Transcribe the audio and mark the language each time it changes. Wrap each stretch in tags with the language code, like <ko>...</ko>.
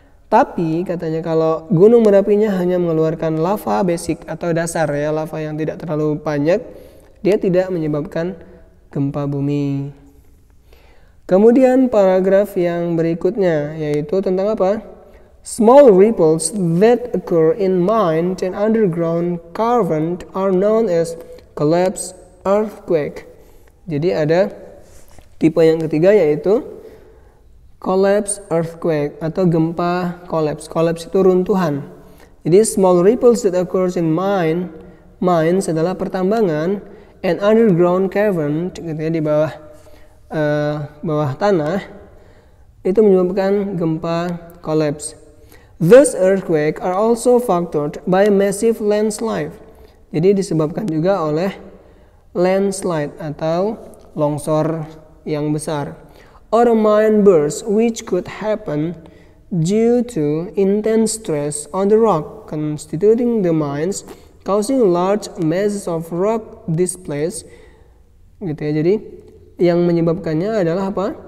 <id>Tapi katanya kalau Gunung Merapinya hanya mengeluarkan lava basic atau dasar ya, lava yang tidak terlalu banyak, dia tidak menyebabkan gempa bumi. Kemudian paragraf yang berikutnya yaitu tentang apa?</id> <en>Small ripples that occur in mines and underground caverns are known as collapse earthquake.</en> <id>Jadi ada tipe yang ketiga yaitu collapse earthquake atau gempa collapse. Collapse itu runtuhan. Jadi</id> <en>small ripples that occurs in mines</en> <id>adalah pertambangan</id> <en>and underground cavern</en> <id>gitu ya, di bawah tanah itu menyebabkan gempa collapse.</id> <en>These earthquakes are also factored by massive landslide.</en> <id>Jadi disebabkan juga oleh landslide atau longsor yang besar.</id> <en>Or a mine burst which could happen due to intense stress on the rock constituting the mines causing large masses of rock displaced</en> <id>gitu ya. Jadi yang menyebabkannya adalah apa?</id>